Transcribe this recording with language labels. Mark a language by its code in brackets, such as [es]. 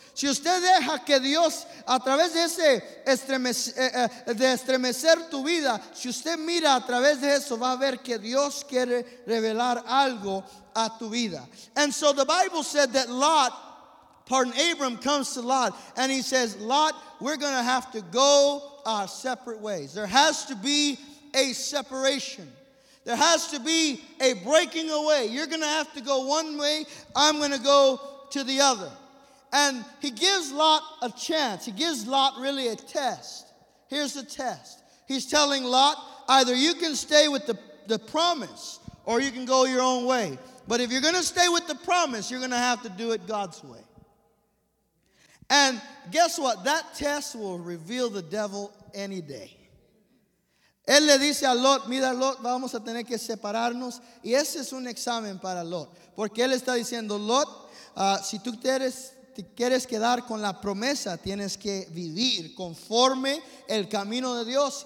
[es] Si usted deja que Dios, a través de ese estremecer tu vida, si usted mira a través de eso, va a ver que Dios quiere revelar algo a tu vida. [en] And so the Bible said that Abram comes to Lot, and he says, Lot, we're going to have to go our separate ways. There has to be a separation. There has to be a breaking away. You're going to have to go one way. I'm going to go to the other. And he gives Lot a chance. He gives Lot really a test. Here's the test. He's telling Lot, either you can stay with the promise or you can go your own way. But if you're going to stay with the promise, you're going to have to do it God's way. And guess what? That test will reveal the devil any day. [es] Él le dice a Lot, mira Lot, vamos a tener que separarnos. Y ese es un examen para Lot. Porque él está diciendo, Lot, si tú quieres quedar con la promesa, tienes que vivir conforme el camino de Dios.